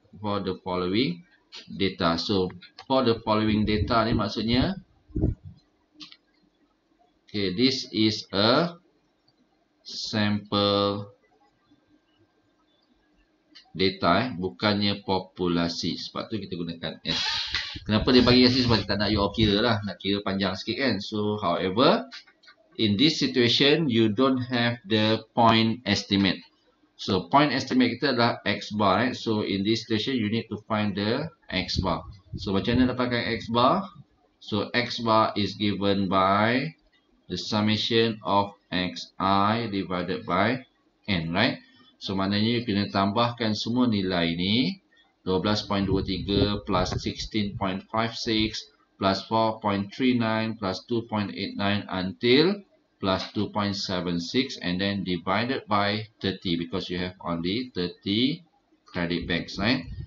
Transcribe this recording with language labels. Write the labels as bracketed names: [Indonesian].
[English] For the following data. So, for the following data ni maksudnya, okay, this is a sample data, [Malay] bukannya populasi. Sebab tu kita gunakan S. Kenapa dia bagi S ni? Sebab kita tak nak you all kira lah. Nak kira panjang sikit kan. [English] So, however, in this situation, you don't have the point estimate. [Malay] So, point estimate kita adalah X bar. [English] Right? So, in this situation, you need to find the X bar. So, [Malay] macam mana dapatkan [English] X bar? So, X bar is given by the summation of XI divided by N, right? [Malay] So, maknanya you kena tambahkan semua nilai ni. [English] 12.23 plus 16.56 plus 4.39 plus 2.89 until plus 2.76 and then divided by 30 because you have only 30 credit banks, right?